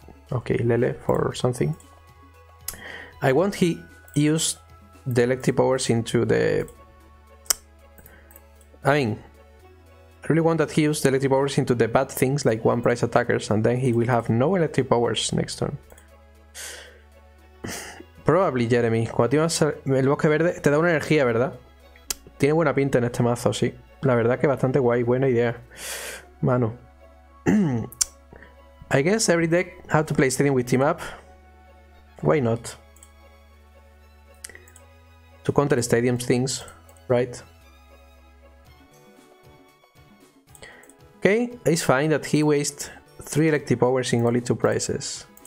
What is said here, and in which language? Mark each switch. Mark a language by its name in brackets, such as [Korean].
[English] Okay, Lele for something. I want he used the electric powers into the I mean, I really want that he used electric powers into the bad things like one prize attackers, and then he will have no electric powers next turn. Probably, Jeremy. [Spanish] Cuando tienes el bosque verde, te da una energía, ¿verdad? Tiene buena pinta en este mazo, sí. La verdad que bastante guay, buena idea. Manu. [English] I guess every deck has to play Stadium with Team Up. Why not? To counter Stadium things, right? Okay, it's fine that he wastes 3 electric powers in only 2 prizes.